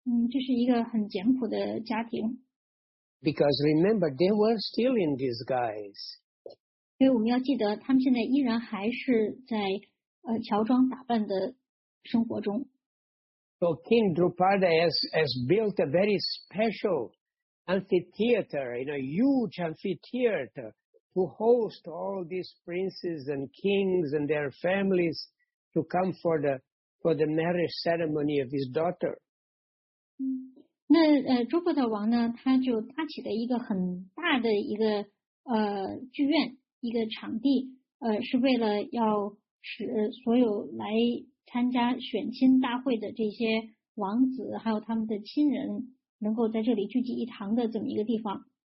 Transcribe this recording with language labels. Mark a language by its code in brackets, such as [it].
[zh] 这是一个很简朴的家庭。 [en] Because remember, they were still in disguise. [zh] 所以我们要记得，他们现在依然还是在乔装打扮的生活中。 [en] So King Draupada has built a very special. Amphitheater, in a huge amphitheater to host all these princes and kings and their families to come for the marriage ceremony of his daughter. [zh] 那诸佛的王呢，他就搭起了一个很大的一个剧院，一个场地，是为了要使所有来参加选亲大会的这些王子还有他们的亲人能够在这里聚集一堂的这么一个地方。